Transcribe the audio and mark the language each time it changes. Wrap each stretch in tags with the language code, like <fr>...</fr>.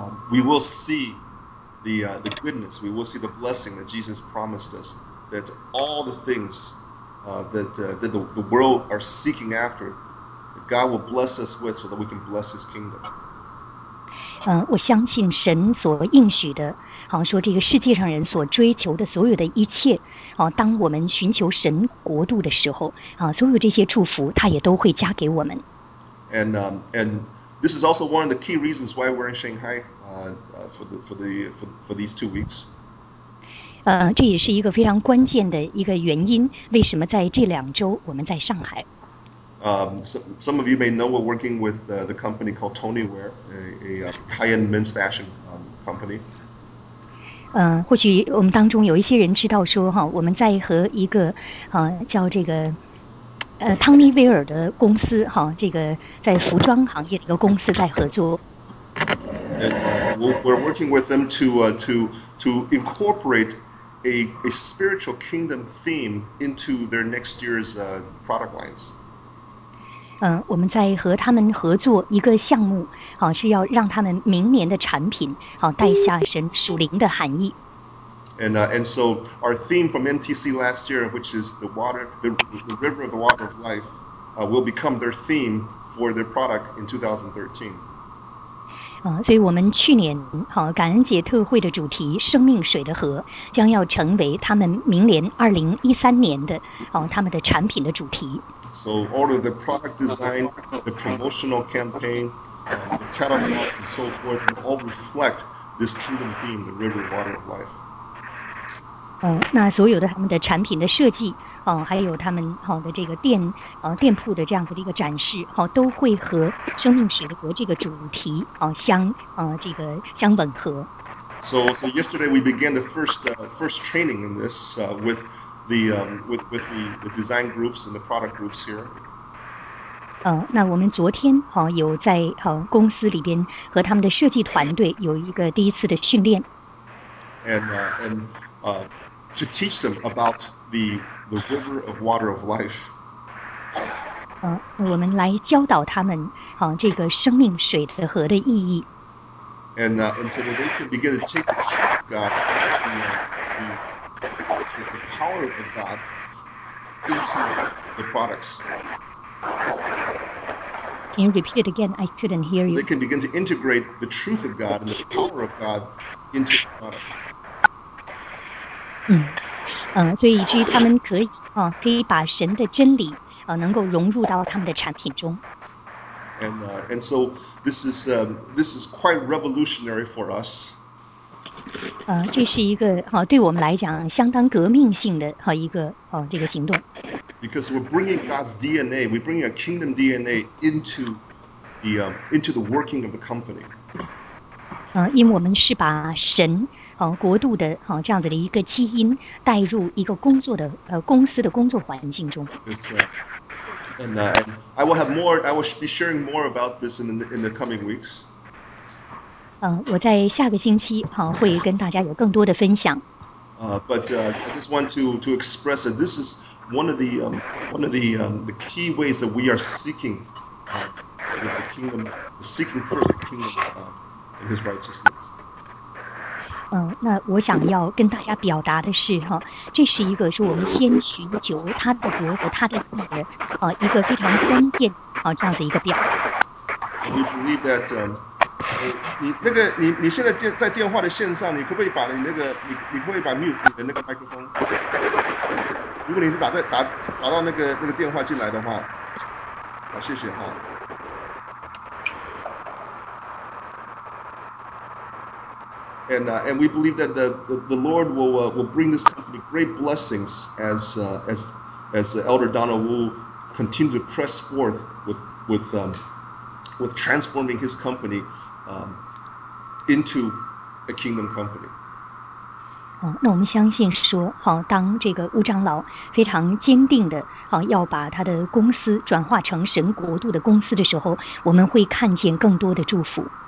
<en>We will see the goodness, we will see the blessing that Jesus promised us, that all the things that the world are seeking after, God will bless us with so that we can bless His kingdom.</en> <zh>我相信神所应许的，好像说这个世界上人所追求的所有的一切，当我们寻求神国度的时候，所有这些祝福他也都会加给我们。</zh> <en>And this is also one of the key reasons why we're in Shanghai for these 2 weeks.</en> <zh>这也是一个非常关键的一个原因，为什么在这两周我们在上海。</zh> <en>Some of you may know we're working with the company called Tonyware, a high-end men's fashion company.</en> <zh>或许我们当中有一些人知道说哈，我们在和一个叫这个汤米威尔的公司哈，这个在服装行业的一个公司在合作。</zh> <en>We're working with them to incorporate a spiritual kingdom theme into their next year's product lines.</en> <zh>我们在和他们合作一个项目。是要让他们明年的产品带下神属灵的含义。</zh> <en>And so our theme from NTC last year, which is the river of the water of life, will become their theme for their product in 2013.</en> <zh>所以我们去年感恩节特会的主题生命水的河将要成为他们明年2013年的他们的产品的主题。</zh> <en>So all of the product design, the promotional campaign,the catalogs and so forth will all reflect this kingdom theme, the river water of life.</en> <zh>那所有的他们的产品的设计，还有他们的这个店，店铺的这样子的一个展示，都会和生命水的国这个主题，这个相吻合。</zh> <en>So yesterday we began the first training in this with the design groups and the product groups here.</en> <zh>那我们昨天有在公司里边和他们的设计团队有一个第一次的训练。</zh> <en>And to teach them about the river of water of life.</en> <zh>我们来教导他们这个生命水的河的意义。</zh> <en>And so that they can begin to take the power of God into the products. Can you repeat it again? I couldn't hear you. So they can begin to integrate the truth of God and the power of God into the products.</en> <zh>所以以至于他们可以把神的真理能够融入到他们的产品中。</zh> <en>And so this is quite revolutionary for us.</en> <zh>这是一个对我们来讲相当革命性的一个这个行动。</zh> <en>Because we're bringing God's DNA, we're bringing a kingdom DNA into the working of the company.</en> <zh>因为我们是把神国度的这样子的一个基因带入一个工作的公司的工作环境中。</zh> <en>Yes, sir. And I will have more. I will be sharing more about this in the coming weeks.</en> <zh>我在下个星期会跟大家有更多的分享。</zh> <en>But I just want to express that this is. One of the key ways that we are seeking first the kingdom of God and His righteousness.</en> <zh>那我想要跟大家表达的是哈，这是一个是我们先驱久违他的国和他的地位，一个非常关键这样的一个表达。</zh> <en>You believe that？</en> <zh>你现在在电话的线上，你可不可以把你那个你可不可以把 mute 你的那个麦克风？如果你是打到那个电话进来的话，好，谢谢哈。</zh> <en>And we believe that the Lord will bring this company great blessings as Elder Donald Wu continue to press forth with transforming his company into a kingdom company.</en> <zh>那我们相信说，当这个吴长老非常坚定的要把他的公司转化成神国度的公司的时候，我们会看见更多的祝福。</zh>